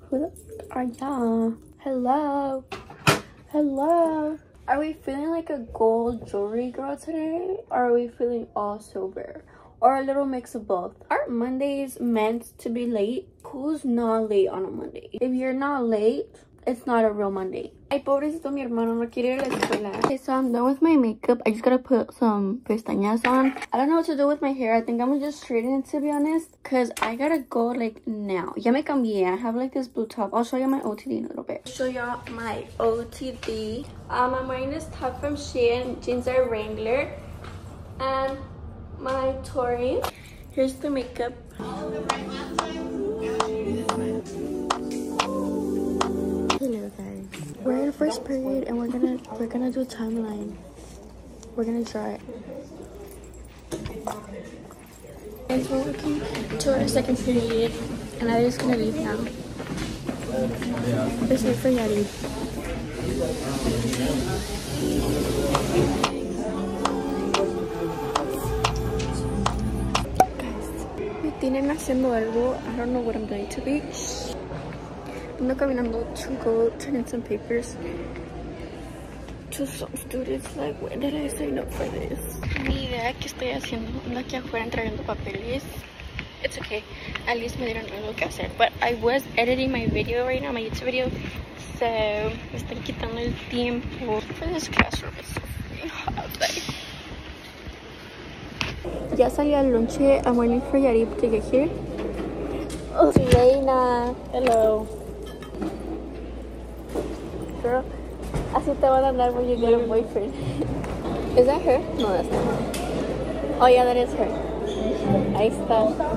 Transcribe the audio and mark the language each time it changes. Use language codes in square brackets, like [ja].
[en] Who the fuck are y'all? Hello? Hello? Are we feeling like a gold jewelry girl today? Or are we feeling all sober? Or a little mix of both? Aren't Mondays meant to be late? Who's not late on a Monday? If you're not late, it's not a real Monday. [es] Ay, pobrecito, mi hermano no quiere ir a la escuela. [en] Okay, so I'm done with my makeup. I just gotta put some pestañas on. I don't know what to do with my hair. I think I'm gonna just straighten it, to be honest. Because I gotta go, like, now. [es] Ya me cambié. [en] I have, like, this blue top. I'll show you my OTD in a little bit. Show y'all my OTD. I'm wearing this top from Shein. Jeans are Wrangler. And my Tory. Here's the makeup. We're in first period and we're gonna do a timeline. We're gonna try it. Guys, we're working toward a second period and I'm just gonna leave now. This is for Yadi. [es] Guys, me tienen haciendo algo. [en] I don't know what I'm going to be. I'm not going to go turn in some papers to some students. Like, when did I sign up for this? [es] Ni idea que estoy haciendo. Ando aquí afuera entregando papeles. [en] It's okay. At least [es] me dieron algo que hacer. [en] But I was editing my video right now, my YouTube video. So, [es] me están quitando el tiempo [en] for this classroom. It's so hot. [es] Ya salí al lunch. [en] I'm waiting for Yarip to get here. Oh, Reina. Hello. Girl, [es] así te van a andar [en] when you get a boyfriend. Is that her? No, that's not her. Oh yeah, that is her. [es] Ahí está.